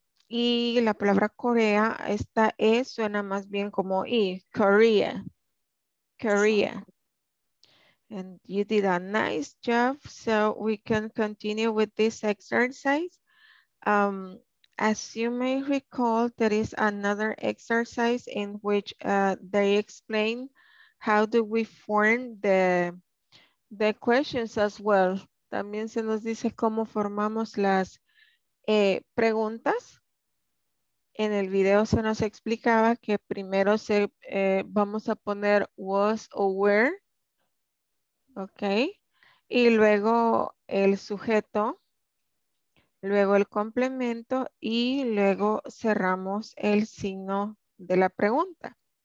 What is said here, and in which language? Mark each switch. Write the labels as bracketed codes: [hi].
[es] Y la palabra Corea, esta E suena más bien como I, Korea. [en] Korea. And you did a nice job, so we can continue with this exercise. As you may recall, there is another exercise in which they explain how do we form the questions as well. [es] También se nos dice cómo formamos las preguntas. En el video se nos explicaba que primero se vamos a poner was o were. Okay, y luego el sujeto, luego el complemento y luego cerramos el signo de la pregunta.